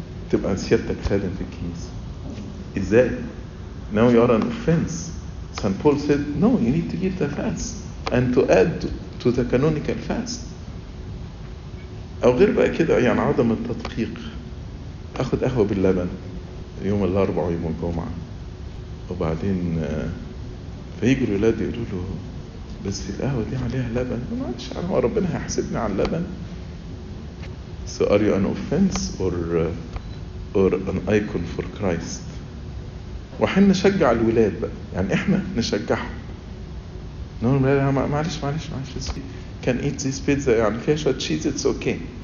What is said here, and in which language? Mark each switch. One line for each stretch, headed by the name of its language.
Arabic: تبقى سيادتك خادم في الكنيسة. إزاي؟
English: Now you are an offense. St. Paul said, no, you need to keep the fast and to add to the canonical fast.
Arabic: أو غير بقى كده يعني عدم التدقيق. أخذ قهوة باللبن يوم الأربعاء ويوم الجمعة. وبعدين فييجوا الولاد يقولوا له, بس في القهوة دي عليها لبن, ما عادش عارف ربنا هيحاسبني على اللبن.
English: So are you an offense or an icon for Christ?
Arabic: وحن نشجع الولاد بقى, يعني احنا نشجعهم. نقول الولاد معلش
English: can eat this pizza,
Arabic: يعني فيها شوية cheese,
English: it's okay.